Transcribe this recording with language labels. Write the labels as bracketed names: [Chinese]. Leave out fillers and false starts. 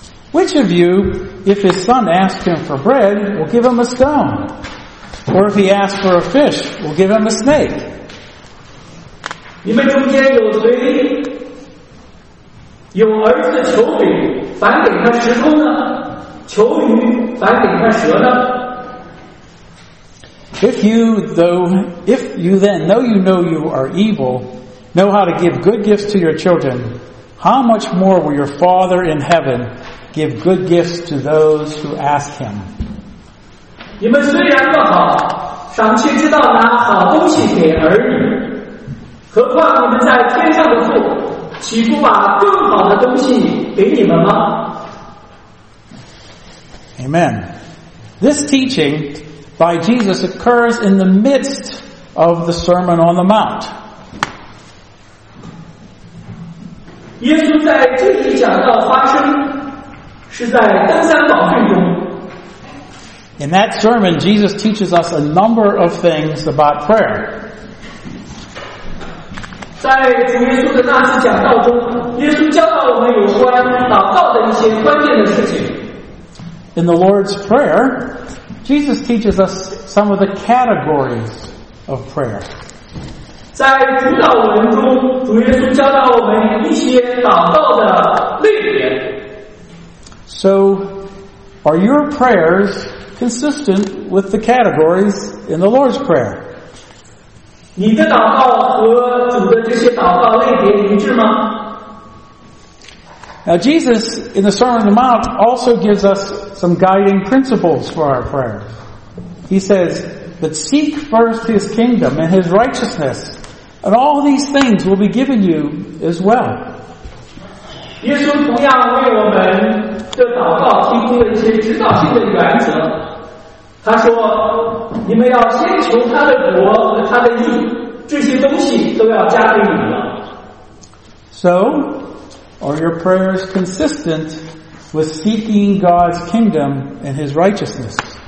[English] Which of you, if his son asks him for bread, will give him a stone? Or if he asks for a fish, will give him a snake? [Chinese] 你们中间有谁有儿子的求饼，反给他石头呢？求鱼，反给他蛇呢？ [English] If you then know you are evil, know how to give good gifts to your children, how much more will your Father in heaven give good gifts to those who ask him? [Chinese] 你们虽然不好，赏赐知道拿好东西给儿女，何况你们在天上的父。岂不把更好的东西给你们吗？ [English] Amen. This teaching by Jesus occurs in the midst of the Sermon on the Mount. [Chinese] 耶稣在这里讲到发生是在登山宝训中。 [English] In that sermon, Jesus teaches us a number of things about prayer. [Chinese] 在主耶稣的那次讲道中，耶稣教导我们有关祷告的一些关键的事情。 [English] In the Lord's Prayer, Jesus teaches us some of the categories of prayer. [Chinese] 在主导文中，主耶稣教导我们一些祷告的类别。 [English] So, are your prayers consistent with the categories in the Lord's Prayer? [Chinese] 你的祷告和主的这些祷告类别一致吗？ [English] Now Jesus in the Sermon on the Mount also gives us some guiding principles for our prayers. He says, but seek first his kingdom and his righteousness, and all these things will be given you as well. [Chinese] 耶稣同样为我们的祷告提供了一些指导性的原则。他说你们要先求他的国和他的义，这些东西都要加给你们。 [English] So, are your prayers consistent with seeking God's kingdom and his righteousness?